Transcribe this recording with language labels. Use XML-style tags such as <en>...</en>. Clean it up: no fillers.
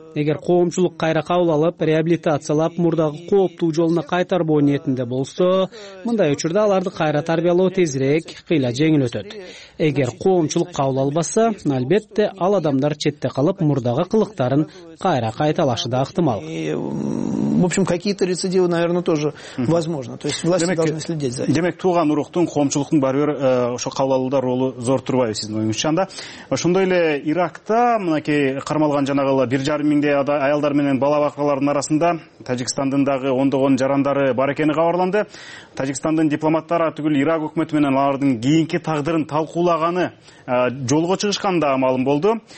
<ky>Эгер коомчулук кайра кабыл алып, реабилитациялап, мурдагы кооптуу жолуна кайтарбоо ниетинде болсо, мындай учурда аларды кайра тарбиялоо тезирээк, кыйла жеңил өтөт. Эгер коомчулук кабыл албаса, албетте ал адамдар четте калып, мурдагы кылыктарын кайра кайталашы да ыктымал.</ky> <ru>В общем, какие-то рецидивы, наверное, тоже возможно. То есть власти должны следить за этим.</ru> <ky>Демек, тууган уруктун, коомчулуктун баары бир ошо кабыл алууда ролу зор турбайбы сиздин оюңузча анда? Ошондой эле Иракта мынакей кармалган жанагы 1,5 миңдей аялдар менен бала бакчалардын арасында Тажикстандын дагы ондогон жарандары бар экени кабарланды. Тажикстандын дипломаттары түгүл Ирак өкмөтү менен алардын кийинки тагдырын талкуулаганы жолго чыгышканы дагы маалым болду.</ky>